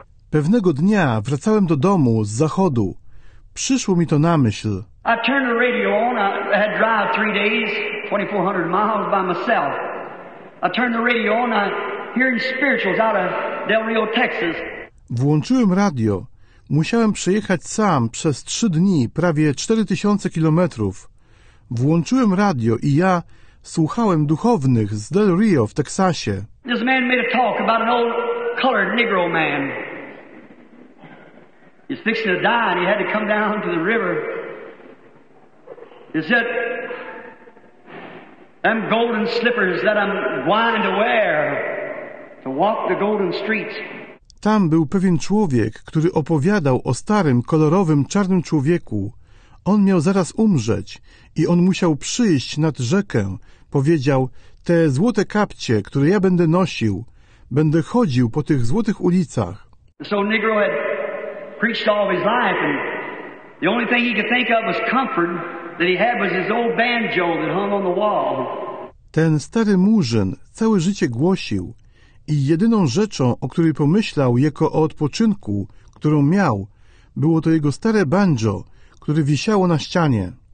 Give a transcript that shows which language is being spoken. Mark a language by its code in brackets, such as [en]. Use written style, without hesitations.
[pl] Pewnego dnia wracałem do domu z zachodu. Przyszło mi to na myśl. [en] I turned the radio on. I had drive 3 days, 2400 miles by myself. I turned the radio on. I hearing spirituals out of Del Rio, Texas. [pl] Włączyłem radio. Musiałem przejechać sam przez 3 dni, prawie 4000 kilometrów. Włączyłem radio i ja słuchałem duchownych z Del Rio w Teksasie. [en] This man made a talk about an old colored Negro man. He's fixing to die and he had to come down to the river. He said, them golden slippers that I'm wanting to wear to walk the golden streets. [pl] Tam był pewien człowiek, który opowiadał o starym, kolorowym, czarnym człowieku. On miał zaraz umrzeć i on musiał przyjść nad rzekę. Powiedział, te złote kapcie, które ja będę nosił, będę chodził po tych złotych ulicach. [en] So Negro had preached all his life and the only thing he could think of was comfort that he had was his old banjo that hung on the wall. [pl] Ten stary murzyn całe życie głosił. I jedyną rzeczą, o której pomyślał jako o odpoczynku, którą miał, było to jego stare banjo, które wisiało na ścianie.